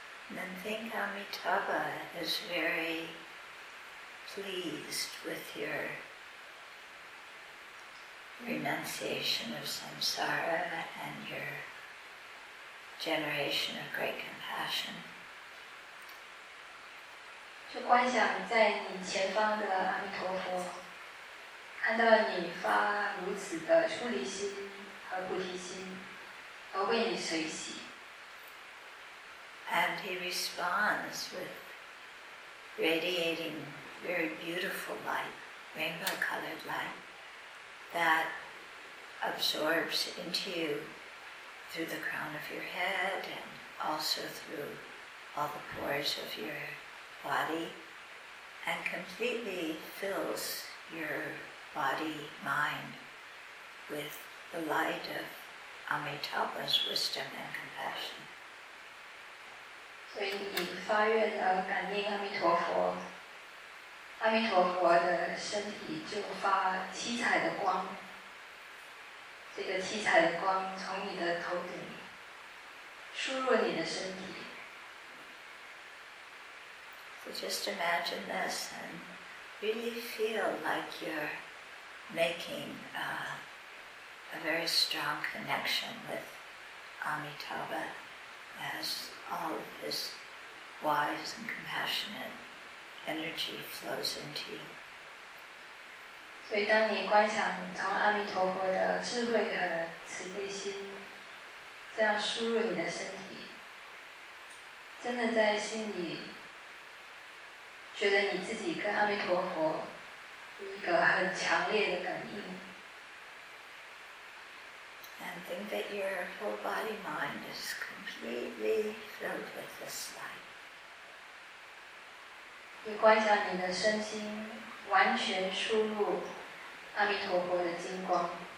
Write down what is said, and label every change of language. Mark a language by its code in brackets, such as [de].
[en] And think Amitabha is very pleased with your renunciation of samsara and your generation of great compassion. [zh] 就观想在你前方的阿弥陀佛，看到你发如此的出离心和菩提心，而为你随喜。 [en] And he responds with radiating very beautiful light, rainbow colored light, that absorbs into you through the crown of your head and also through all the pores of your body and completely fills your body, mind with the light of Amitabha's wisdom and compassion. [zh] 所以你发愿的感应阿弥陀佛，阿弥陀佛的身体就发七彩的光，这个七彩的光从你的头顶输入你的身体。 [en] So just imagine this and really feel like you're making a very strong connection with Amitabha as all of his wise and compassionate energy flows into you. [zh] 所以当你观想从阿弥陀佛的智慧和慈悲心这样输入你的身体，真的在心里觉得你自己跟阿弥陀佛有一个很强烈的感应。 [en] And think that your whole body mind is completely filled with this light. [zh] 你观想你的身心完全输入阿弥陀佛的金光。